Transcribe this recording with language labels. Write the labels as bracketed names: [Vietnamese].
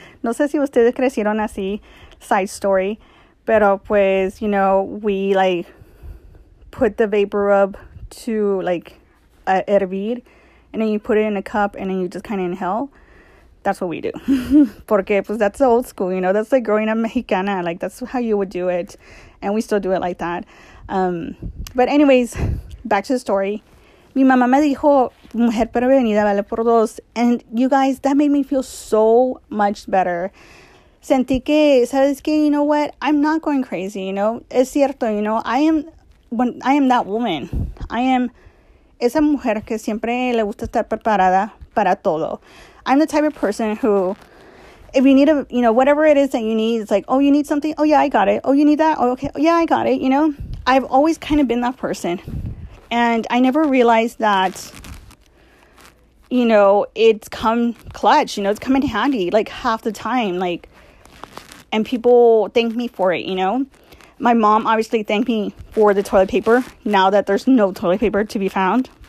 [Spanish] No sé si ustedes crecieron así, [English] side story, [Spanish] pero, pues, [English] we, like, put the vapor rub to, like, [Spanish] hervir, [English] and then you put it in a cup, and then you just kind of inhale. That's what we do. [Spanish] Porque, pues, [English] that's the old school, that's, like, growing up Mexicana, like, that's how you would do it, and we still do it like that. But anyways, back to the story. [Spanish] Mi mamá me dijo, mujer prevenida vale por dos. [English] And you guys, that made me feel so much better. [Spanish] Sentí que, sabes que, [English] you know what? I'm not going crazy, [Spanish] Es cierto, [English] I am that woman. I am [Spanish] esa mujer que siempre le gusta estar preparada para todo. [English] I'm the type of person who, if you need whatever it is that you need, it's like, oh, you need something? Oh, yeah, I got it. Oh, you need that? Oh, okay. Oh, yeah, I got it, I've always kind of been that person. And I never realized that, it's come clutch, it's come in handy, like, half the time, like, and people thank me for it, My mom obviously thanked me for the toilet paper, now that there's no toilet paper to be found.